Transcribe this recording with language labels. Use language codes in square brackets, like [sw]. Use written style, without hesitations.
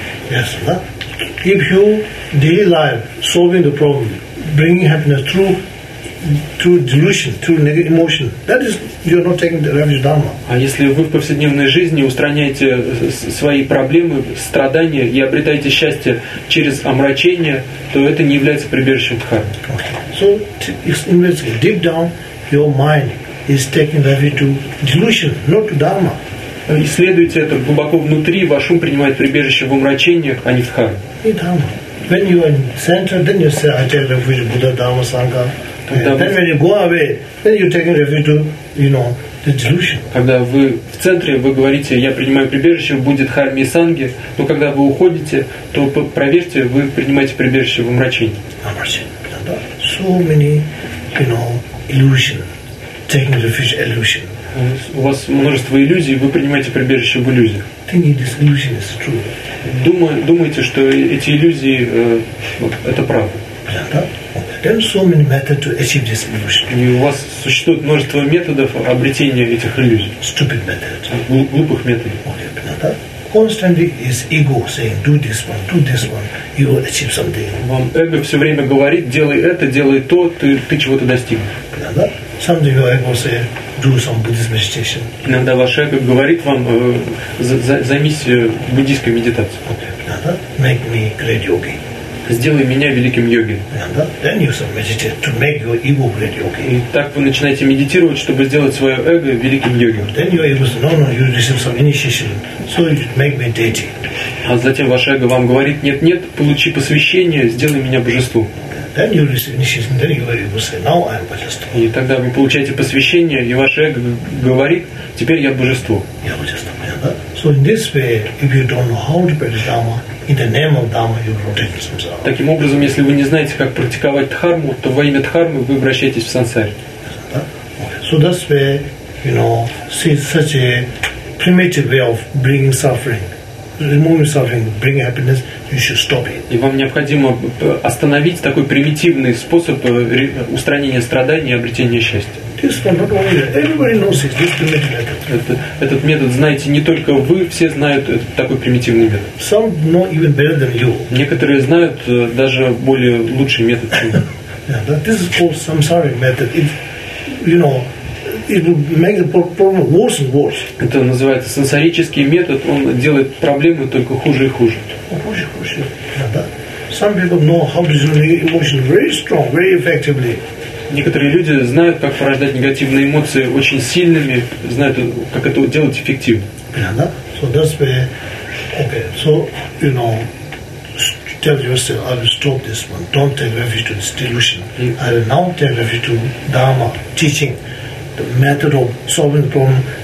[en] Yes, if you daily life solving the problem, bringing happiness through delusion, through negative emotion, that is, you're not taking the refuge dharma. [ru] А если вы в повседневной жизни устраняете свои проблемы, страдания и обретаете счастье через омрачение, то это не является прибежищем дхармы. [en] Okay. So, deep down, your mind is taking refuge to delusion, not to dharma. [ru] Исследуйте это глубоко внутри, ваш ум принимает прибежище в омрачении, а не в дхарме. [en] When you are in center, then you say, I take refuge to Buddha, Dharma, Sangha. Then when you go away, then you're taking refuge to, you know, the delusion. [ru] Когда вы в центре, вы говорите, я принимаю прибежище в Будде, Дхарме и Санге, но когда вы уходите, то проверьте, вы принимаете прибежище в омрачении. [en] So many, you know, illusion, taking refuge illusion. [ru] У вас множество иллюзий, вы принимаете прибежище в иллюзиях. [en] Think this illusion is true. [ru] Думаете, что эти иллюзии это правда. [en] Then so many methods to achieve this illusion. [ru] И у вас существует множество методов обретения этих иллюзий. [en] Stupid methods. [ru] Глупых методов. [en] Constantly is ego saying, do this one, do this one, you will achieve something. [ru] Вам эго все время говорит, делай это, делай то, ты чего-то достигнешь. [en] Sometimes your ego say, do some Buddhist meditation. [ru] Иногда ваше эго говорит вам, займись буддийской медитацией. [en] Make me great yogi. [ru] Сделай меня великим йоги. [en] Then you start meditate to make your ego great yogi. [ru] И так вы начинаете медитировать, чтобы сделать свое эго великим йоги. [en] Then your ego says, no, you receive some initiation, so you make me deity. [ru] А затем ваше эго вам говорит, нет, получи посвящение, сделай меня божеством. [en] Then you receive initiation, then your ego says, now I am [ru] божество. И тогда вы получаете посвящение, и ваше эго говорит, теперь я божество. Я божество, понятно? [en] So in this way, if you don't know how to practice Dharma, in the name of Dharma, you rotate to samsara. [ru] Таким образом, если вы не знаете, как практиковать дхарму, то во имя дхармы вы обращаетесь в сансаре. [en] So that's where, you know, see such a primitive way of bringing suffering, removing suffering, bringing happiness, you should stop it. [ru] И вам необходимо остановить такой примитивный способ устранения страданий и обретения счастья. [en] This one, not only that. Everybody knows it. This primitive method. [ru] Этот метод знаете не только вы, все знают этот такой примитивный метод. [en] Some know even better than you. [ru] Некоторые знают даже более лучший метод, чем вы. [en] This is called samsaric method. It, you know, it will make the problem worse and worse. [ru] Это называется сансарический метод. Он делает проблемы только хуже и хуже. Хуже и хуже. [en] Some people know how to generate emotions very strong, very effectively. [ru] Некоторые люди знают, как порождать негативные эмоции очень сильными, знают, как это делать эффективно. Да. [en] So that's where, okay. So you know, tell yourself, I will stop this one. Don't take refuge to this delusion. I will now take refuge to Dharma, teaching, the method of solving the problem.